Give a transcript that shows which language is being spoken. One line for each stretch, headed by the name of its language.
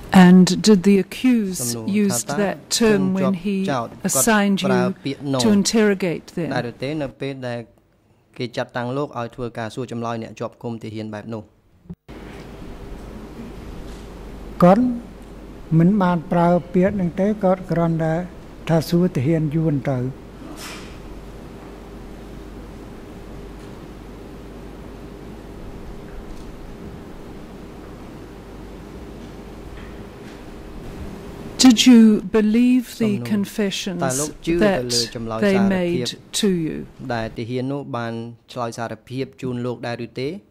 English: And did the accused use that term when he assigned you to interrogate them?
Khmer: ណាស់ទេនៅពេលដែលគេចាត់តាំងលោកឲ្យធ្វើការសួរចម្លើយអ្នកជាប់ឃុំទាហានបែបនោះ មិនបានប្រើពាក្យនឹងទេគាត់គ្រាន់តែថាសួរទាហានយួនទៅ
English: Did you believe the confessions that they made to you?
Khmer: ដែលទាហាននោះបានឆ្លើយសារភាពជូនលោកដែរឬទេ